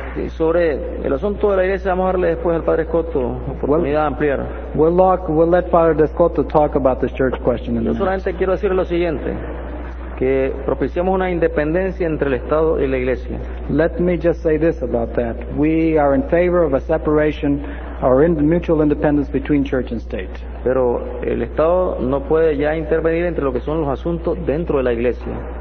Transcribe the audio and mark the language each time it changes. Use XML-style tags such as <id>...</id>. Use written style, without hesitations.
<es>Sobre el asunto de la iglesia, vamos a darle después al Padre Escoto oportunidad de ampliar.</es> <en>We'll let Father Descoto talk about the church question.</en> <es>Yo solamente quiero decir lo siguiente. Que propiciamos una independencia entre el Estado y la Iglesia.</es> <en>Let me just say this about that. We are in favor of a separation or mutual independence between church and state.</en> <es>Pero el Estado no puede ya intervenir entre lo que son los asuntos dentro de la Iglesia.</es>